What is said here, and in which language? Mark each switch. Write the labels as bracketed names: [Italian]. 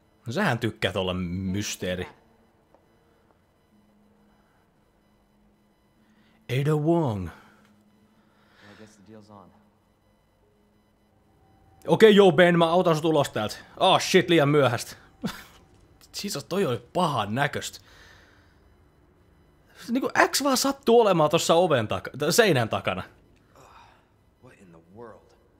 [Finnish] Sähän tykkäät olla mysteeri. Ada Wong. [English] Well, I guess the deal's on. [Finnish] Okei, joo, Ben, mä autan sut ulos täältä. [English] Oh, shit, [Finnish] liian myöhäistä. Jesus, toi oli pahan näköistä. Niin kuin X vaan sattuu olemaan tuossa oven takana, seinän takana. [English] What in the world?